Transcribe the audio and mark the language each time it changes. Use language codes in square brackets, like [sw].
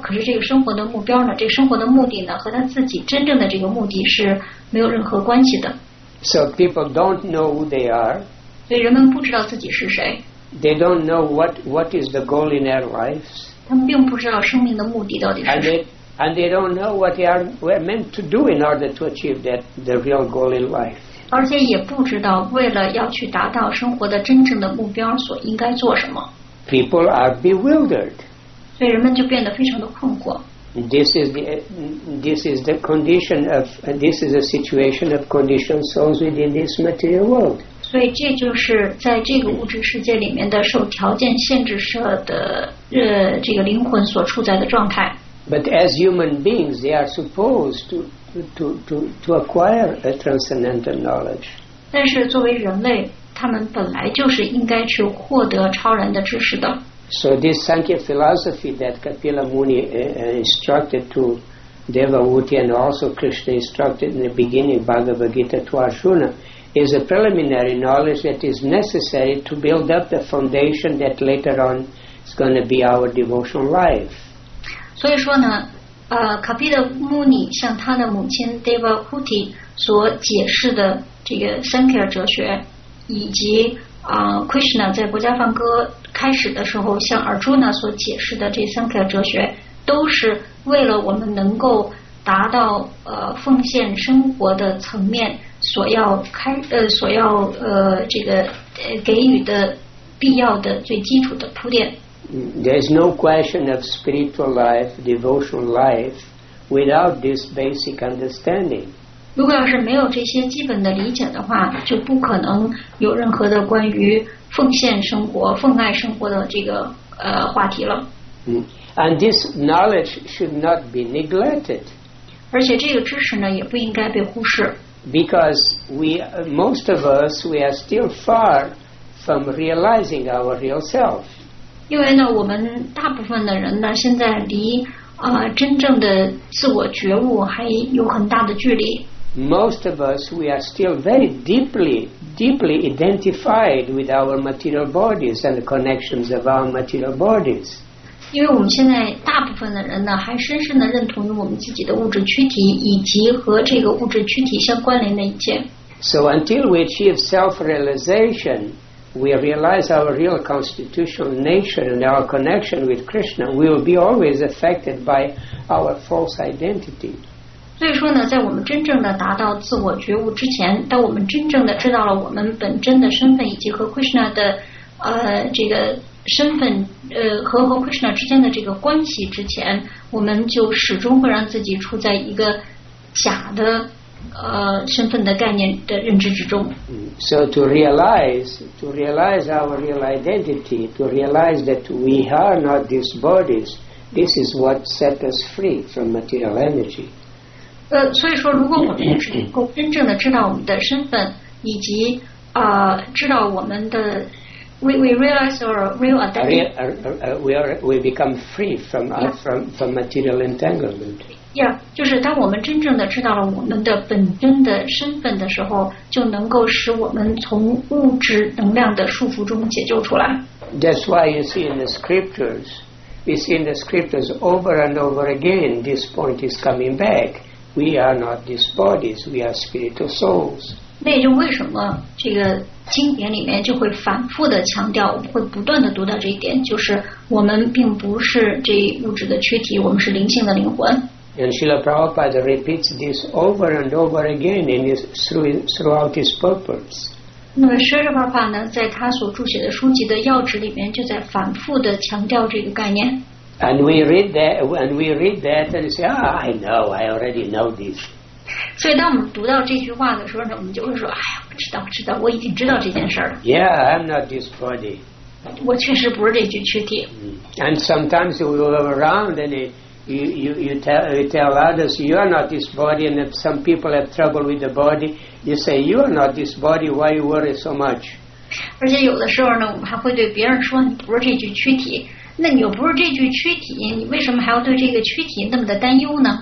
[zh] 可是这个生活的目标呢，这个生活的目的呢，和他自己真正的这个目的是没有任何关系的。 [en] So people don't know who they are. [zh] 所以人们不知道自己是谁。 [en] They don't know what is the goal in their lives. [zh] 他们并不知道生命的目的到底是什么。 [en] And they don't know what they are meant to do in order to achieve that the real goal in life. [zh] 而且也不知道为了要去达到生活的真正的目标所应该做什么。 [en] People are bewildered. [zh] 所以人们就变得非常的困惑。 [en] This is a situation of conditioned souls within this material world. [zh] 所以这就是在这个物质世界里面的受条件限制设的这个灵魂所处在的状态。 [en] But as human beings, they are supposed to acquire a transcendental knowledge. [zh] 但是作为人类，他们本来就是应该去获得超然的知识的。 [en] So this Sankhya philosophy that Kapila Muni instructed to Devahuti and also Krishna instructed in the beginning Bhagavad Gita to Arjuna. Is a preliminary knowledge that is necessary to build up the foundation that later on is going to be our devotional life. [zh] 所以说呢，卡毗的穆尼向他的母亲 Devahuti 所解释的这个 Sankhya 哲学，以及Krishna 在国家梵歌开始的时候向 Arjuna 所解释的这 Sankhya 哲学，都是为了我们能够达到奉献生活的层面。所要开所要这个给予的必要的最基础的铺垫。 [en] There is no question of spiritual life, devotional life, without this basic understanding. [zh] 如果要是没有这些基本的理解的话，就不可能有任何的关于奉献生活、奉爱生活的这个话题了。 [en] And this knowledge should not be neglected. [zh] 而且这个知识呢，也不应该被忽视。 [en] Because we, most of us, we are still far from realizing our real self. [zh] 因为呢，我们大部分的人呢，现在离真正的自我觉悟还有很大的距离。 [en] Most of us, we are still very deeply identified with our material bodies and the connections of our material bodies. [zh] 因为我们现在大部分的人呢，还深深的认同于我们自己的物质躯体以及和这个物质躯体相关联的一切。 [en] So until we achieve self-realization. We realize our real constitutional nature and our connection with Krishna. We will be always affected by our false identity. [zh] 所以说呢，在我们真正的达到自我觉悟之前，当我们真正的知道了我们本真的身份以及和 Krishna 的这个身份和 Krishna 之间的这个关系之前，我们就始终会让自己处在一个假的身份的概念的认知之中。 [en] So to realize our real identity, to realize that we are not these bodies, this is what sets us free from material energy. [zh] 所以说，如果我们能够真正的知道我们的身份，以及知道我们的 [en] we realize our real identity, we become free from material entanglement. [zh] Yeah, 就是当我们真正的知道了我们的本真的身份的时候，就能够使我们从物质能量的束缚中解救出来。 [en] That's why you see in the scriptures, we see in the scriptures over and over again, this point is coming back. We are not these bodies, we are spiritual souls. [zh] 那也就为什么这个经典里面就会反复的强调，我们会不断的读到这一点，就是我们并不是这物质的躯体，我们是灵性的灵魂。 [en] And Srila Prabhupada repeats this over and over again in his, throughout his purports. [zh] 那么 Srila Prabhupada 呢，在他所著写的书籍的要旨里面，就在反复的强调这个概念。 [en] And we read that, and we read that, and say, "Ah, I know, I already know this." [zh] 所以当我们读到这句话的时候呢，我们就会说，哎呀，我知道，我知道，我已经知道这件事了。 [en] Yeah, I'm not this body. [zh] 我确实不是这具躯体。 [en] And sometimes we go around and you tell others you are not this body, and if some people have trouble with the body, you say you are not this body. Why you worry so much? [zh] 而且有的时候呢，我们还会对别人说你不是这具躯体。那你又不是这具躯体，你为什么还要对这个躯体那么的担忧呢？